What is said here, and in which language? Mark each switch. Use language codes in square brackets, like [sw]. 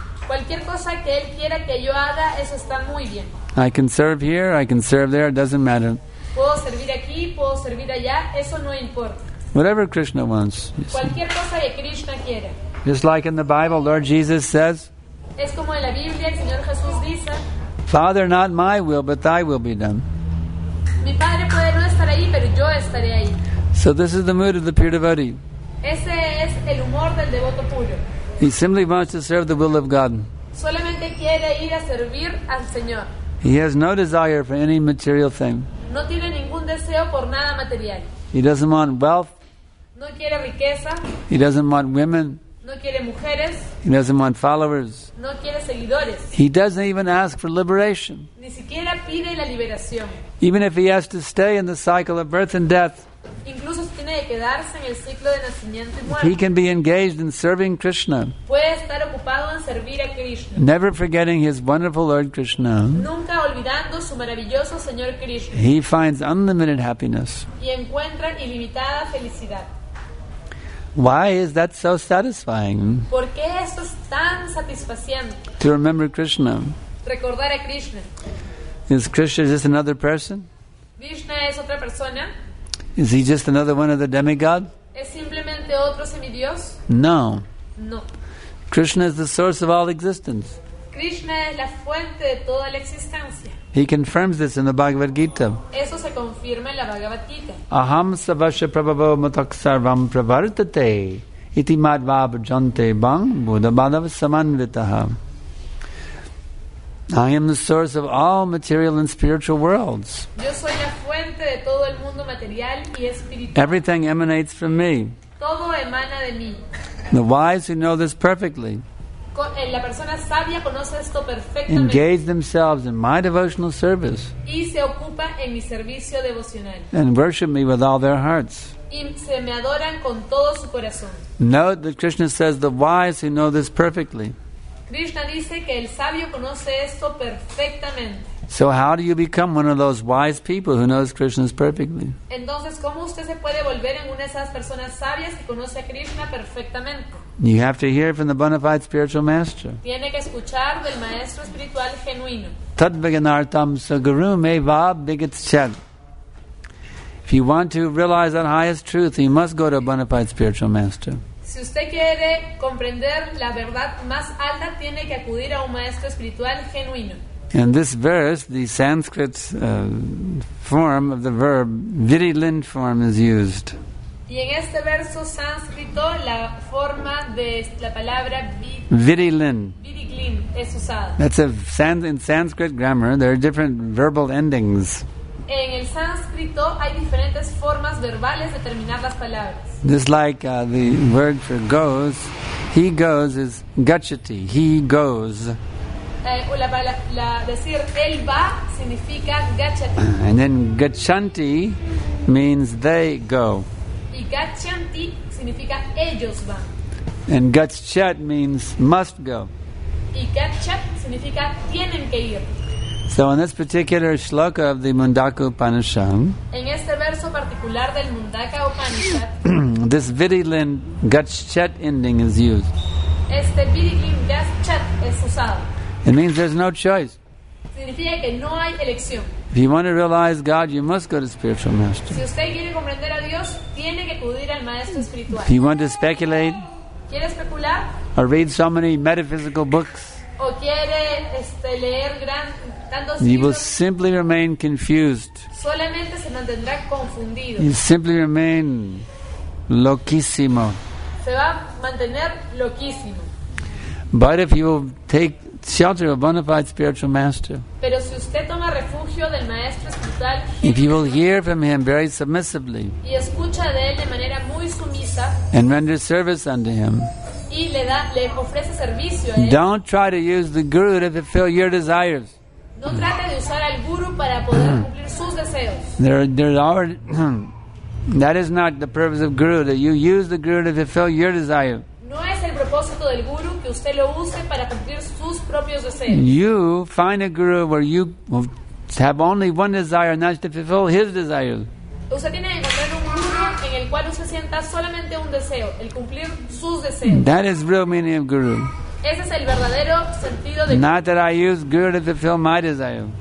[es] Cualquier cosa que él quiera que yo haga, eso está muy bien. [en] I can serve here, I can serve there, it doesn't matter. [es] Puedo servir aquí, puedo servir allá, eso no importa. [en] Whatever Krishna wants. [es] Cualquier cosa que Krishna quiera. [en] Just like in the Bible, Lord Jesus says. [es] Es como en la Biblia, el Señor Jesús dice. [en] Father, not my will, but thy will be done. [es] Mi padre puede no estar ahí, pero yo estaré ahí. [en] So this is the mood of the pure devotee. [es] Ese es el humor del devoto puro. [en] He simply wants to serve the will of God. [es] Solamente quiere ir a servir al Señor. [en] He has no desire for any material thing. [es] No tiene ningún deseo por nada material. [en] He doesn't want wealth. [es] No quiere riqueza. [en] He doesn't want women. [es] No quiere mujeres. [en] He doesn't want followers. [es] No quiere seguidores. [en] He doesn't even ask for liberation. [es] Ni siquiera pide la liberación. [en] Even if he has to stay in the cycle of birth and death, [es] incluso si tiene que quedarse en el ciclo de nacimiento y muerte, [en] he can be engaged in serving Krishna. [es] Puede estar ocupado en servir a Krishna. [en] Never forgetting his wonderful Lord Krishna. [es] Nunca olvidando su maravilloso Señor Krishna. [en] He finds unlimited happiness. [es] Y encuentra ilimitada felicidad. [en] Why is that so satisfying? [es] ¿Por qué eso es tan satisfaciente? [en] To remember Krishna. [es] Recordar a Krishna. [en] Is Krishna just another person? [es] Krishna es otra persona. [en] Is he just another one of the demigods? [es] ¿Es simplemente otro semidios? [en] No. [es] No. [en] Krishna is the source of all existence. [es] Krishna es la fuente de toda la existencia. [en] He confirms this in the Bhagavad Gita. [es] Eso se confirma en la Bhagavad Gita. [sa] Aham savasya prabhava matak sarvam pravartate iti madva bhajante bang buddha bhadava samanvitaha. [en] I am the source of all material and spiritual worlds. [es] Yo soy la fuente de todo el mundo material y espiritual. [en] Everything emanates from me. [es] Todo emana de mí. [en] The wise who know this perfectly, [es] la persona sabia conoce esto perfectamente, [en] engage themselves in my devotional service [es] y se ocupa en mi servicio devocional, [en] and worship me with all their hearts. [es] Y se me adoran con todo su corazón. [en] Note that Krishna says the wise who know this perfectly. [es] Krishna dice que el sabio conoce esto perfectamente. [en] So how do you become one of those wise people who knows Krishna perfectly? [es] Entonces, ¿cómo usted se puede volver en una de esas personas sabias que conoce a Krishna perfectamente? [en] You have to hear from the bona fide spiritual master. [es] Tiene que escuchar del maestro espiritual genuino. [sa] Tad viganartam saguru meva bigat chad. [en] If you want to realize that highest truth, you must go to a bona fide spiritual master. [es] Si usted quiere comprender la verdad más alta, tiene que acudir a un maestro espiritual genuino. [en] In this verse, the Sanskrit form of the verb virilin form is used. [es] Y en este verso sánscrito la forma de la palabra virilin. Virilin es usada. [en] That's a in Sanskrit grammar. There are different verbal endings. [es] En el sánscrito hay diferentes formas verbales de terminar las palabras. [en] Just like the word for goes, he goes is gachati. He goes. [es] Decir él va significa gachati. [en] And then gachanti means they go. [es] Y gachanti significa ellos van. [en] And gachat means must go. [es] Y gachat significa tienen que ir. [en] So in this particular shloka of the Mundaka Upanishad, [es] en este verso particular del Mundaka Upanishad, [en] this virilin gachat ending is used. [es] Este virilin gachat es usado. [en] It means there's no choice. [es] Significa que no hay elección. [en] If you want to realize God, you must go to spiritual master. [es] Si usted quiere comprender a Dios, tiene que acudir al maestro espiritual. [en] If you want to speculate, [es] ¿quiere especular? [en] Or read so many metaphysical books, [es] o quiere leer tantos libros, [en] you will simply remain confused. [es] Solamente se mantendrá confundido. [en] You simply remain [es] loquísimo. Se va a mantener loquísimo. [en] But if you will take shelter of a bona fide spiritual master, [es] pero si usted toma refugio del maestro espiritual, [en] if you will hear from him very submissively [es] y escucha de él de manera muy sumisa, [en] and render service unto him, [es] y le ofrece servicio a él, [en] don't try to use the guru to fulfill your desires. [es] No trate de usar al guru para poder cumplir sus deseos. [en] That is not the purpose of guru, that you use the guru to fulfill your desire. [es] No es el propósito del guru que usted lo use para cumplir sus. [en] You find a guru where you have only one desire, and that's to fulfill his desires. [es] Usted tiene que encontrar un guru en el cual usted sienta solamente un deseo, el cumplir sus deseos. [en] That is real meaning of guru. [es] Ese es el verdadero sentido de. [en] Not that I use guru to fulfill my desire.